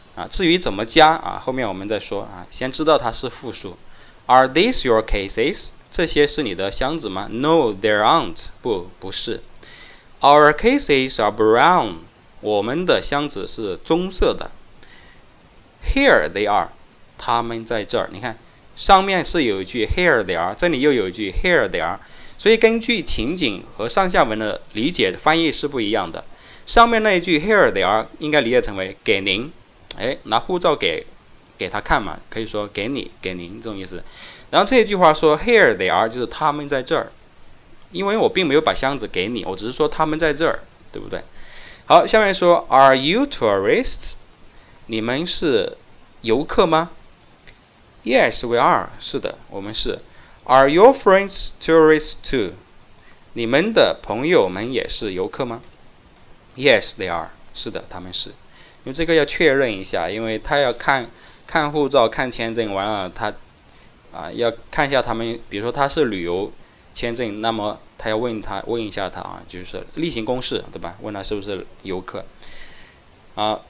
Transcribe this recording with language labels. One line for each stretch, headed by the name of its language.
Chinese: 至于怎么加啊，后面我们再说啊，先知道它是复数。
English: Are these your cases？
Chinese: 这些是你的箱子吗？
English: No, there aren't。
Chinese: 不是。
English: Our cases are brown，
Chinese: 我们的箱子是棕色的。
English: Here they are，
Chinese: 他们在这儿。你看上面是有一句
English: Here they are，
Chinese: 这里又有一句 Here they are， 所以根据情景和上下文的理解翻译是不一样的。上面那一句
English: Here they are
Chinese: 应该理解成为给您，哎，拿护照给他看嘛，可以说给您这种意思。然后这句话说
English: here they are
Chinese: 就是他们在这儿，因为我并没有把箱子给你，我只是说他们在这儿，对不对？好，下面说
English: are you tourists，
Chinese: 你们是游客吗？
English: Yes we are，
Chinese: 是的我们是。
English: Are your friends tourists too，
Chinese: 你们的朋友们也是游客吗？
English: Yes they are，
Chinese: 是的他们是。因为这个要确认一下，因为他要看看护照看签证完了，他要看一下他们，比如说他是旅游签证，那么他要问一下他啊，就是例行公事，对吧，问他是不是游客啊。